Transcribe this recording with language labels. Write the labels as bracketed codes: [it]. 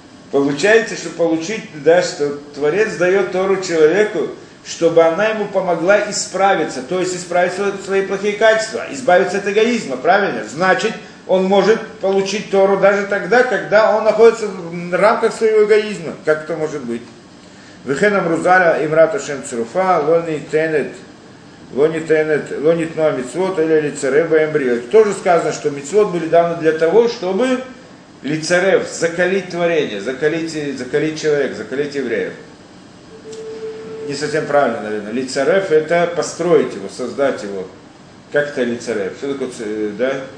[ru] Получается, что получить, да, что Творец дает Тору человеку, чтобы она ему помогла исправиться. То есть исправить свои плохие качества, избавиться от эгоизма, правильно? Значит, он может получить Тору даже тогда, когда он находится в рамках своего эгоизма. Как это может быть? [he] וכן אמרו זל אמרת השם צרופה, לא ניתנת, לא ניתנת, לא ניתנו המצוות, אלא לצרב בהם בריאות. [ru] тоже сказано, что מצוות были даны для того, чтобы לצרב, закалить творение, закалить человек, закалить евреев. Не совсем правильно, наверное. לצרב это построить его, создать его. Как это לצרב? Что такое, да?